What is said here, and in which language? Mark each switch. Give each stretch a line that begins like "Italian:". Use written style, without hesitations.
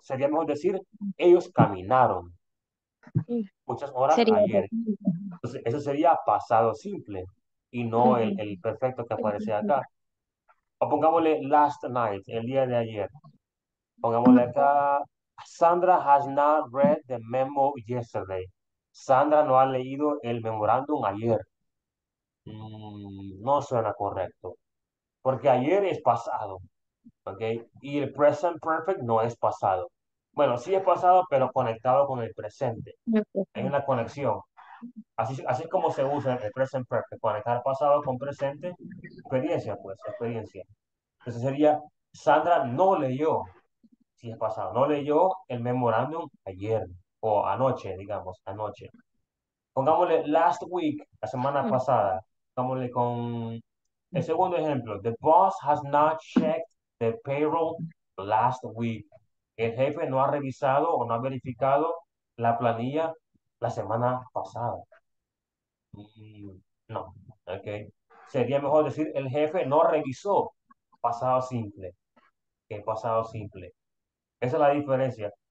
Spanish: Sería mejor decir, ellos caminaron muchas horas ayer. Entonces, eso sería pasado simple. Y no el perfecto que aparece acá. O pongámosle
English: last night,
Spanish: el día de ayer. Pongámosle acá,
English: Sandra has not read the memo yesterday.
Spanish: Sandra no ha leído el memorándum ayer. No suena correcto. Porque ayer es pasado. ¿Okay? Y el present perfect no es pasado. Bueno, sí es pasado, pero conectado con el presente. Es una conexión. Así es como se usa el present perfect, conectar pasado con presente, experiencia. Entonces sería, Sandra no leyó, si es pasado, no leyó el memorándum ayer, o anoche, digamos, anoche. Pongámosle
English: last week,
Spanish: la semana pasada, pongámosle con el segundo ejemplo.
English: The boss has not checked the payroll last week.
Spanish: El jefe no ha revisado o no ha verificado la planilla la semana pasada. No, ok. Sería mejor decir, el jefe no revisó. Pasado simple. El pasado simple. Esa es la diferencia.